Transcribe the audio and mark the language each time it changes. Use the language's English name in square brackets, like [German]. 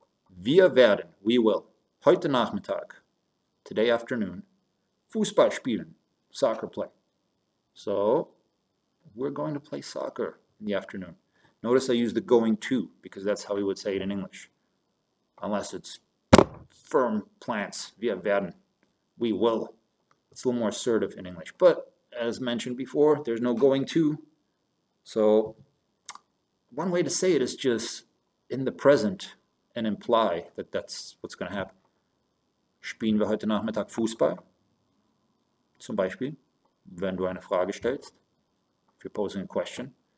[German] Wir werden, [English] we will, [German] heute Nachmittag, [English] today afternoon, [German] Fußball spielen, [English] soccer play. So, we're going to play soccer in the afternoon. Notice I use the going to because that's how we would say it in English. Unless it's firm plans, [German] wir werden, [English] we will. It's a little more assertive in English. But as mentioned before, there's no going to. So, one way to say it is just in the present and imply that that's what's going to happen. [German] Spielen wir heute Nachmittag Fußball? Zum Beispiel, wenn du eine Frage stellst, [English] if you're posing a question.